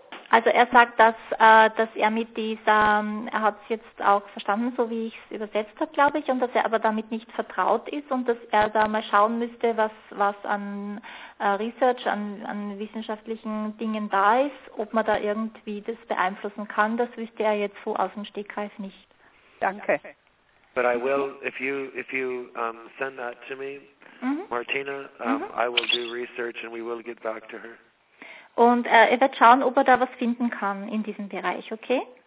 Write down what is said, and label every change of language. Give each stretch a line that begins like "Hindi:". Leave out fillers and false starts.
German: Also er sagt, dass dass er mit dieser, er hat es jetzt auch verstanden, so wie ich es übersetzt habe, glaube ich, und dass er aber damit nicht vertraut ist und dass er da mal schauen müsste, was an Research, an wissenschaftlichen Dingen da ist, ob man da irgendwie das beeinflussen kann. Das wüsste er jetzt so aus dem Stegreif nicht. Danke.
English: But I will, if you send that to me, Martina, I will do research and we will get back to her.
German: Und er wird schauen, ob er da was finden kann in diesem Bereich, okay?